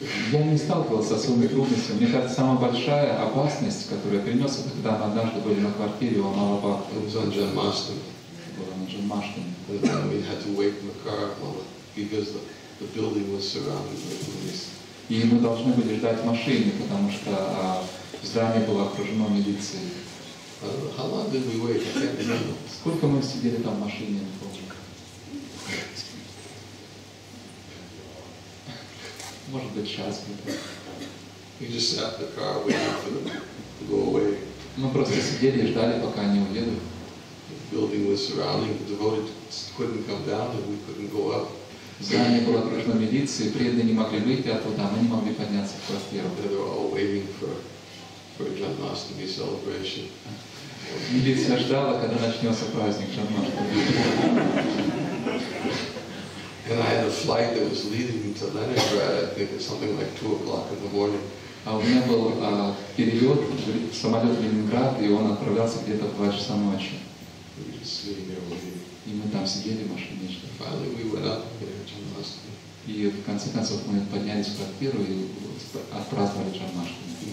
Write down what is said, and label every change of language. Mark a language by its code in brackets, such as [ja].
[ru] Я не сталкивался с особыми трудностями. Мне кажется, самая большая опасность, которую я принес, это когда мы однажды были на квартире у Амала Бхакты. [en] It was on Janmashtami. [ru] Было на Janmashtami. [en] We had to wake Makar Amala, because the building was surrounded by police. [ru] И мы должны были ждать машины, потому что здание было окружено милицией. [en] How long did we wait? [ru] Сколько мы сидели там в машине? Может быть, час где-то. [en] We just sat in the car waiting for them to go away. [ru] Мы просто сидели и ждали, пока они уедут. [en] The building was surrounding, the devotees couldn't come down, and we couldn't go up. [ru] Здание было окружено милицией, преданные не могли выйти оттуда, мы не могли подняться в квартиру. [en] They were all waiting for a Janmashtami celebration. [ru] Милиция ждала, когда начнется праздник Janmashtami. [en] And I had a flight that was leading me to Leningrad, I think, at something like 2 o'clock in the morning. [ru] А у меня был перелет, самолет в Ленинград, и он отправлялся где-то в 2 часа ночи. [en] We were just sitting there waiting. [ru] И мы там сидели в машине. [en] Finally, we went up there to Janmashtami. [ru] И в конце концов мы поднялись в квартиру и отпраздновали Janmashtami.